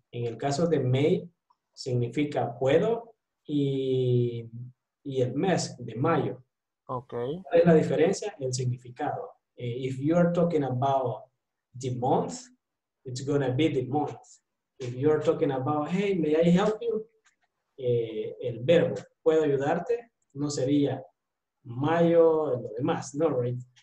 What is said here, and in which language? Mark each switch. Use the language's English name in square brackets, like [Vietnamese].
[Spanish] En el caso de May, significa puedo y el mes de mayo. [English] Okay. [Spanish] ¿Cuál es la diferencia? El significado. [English] If you are talking about the month, it's going to be the month. If you are talking about, hey, may I help you? [Spanish] El verbo, puedo ayudarte, no sería mayo, lo demás, no, [English] right?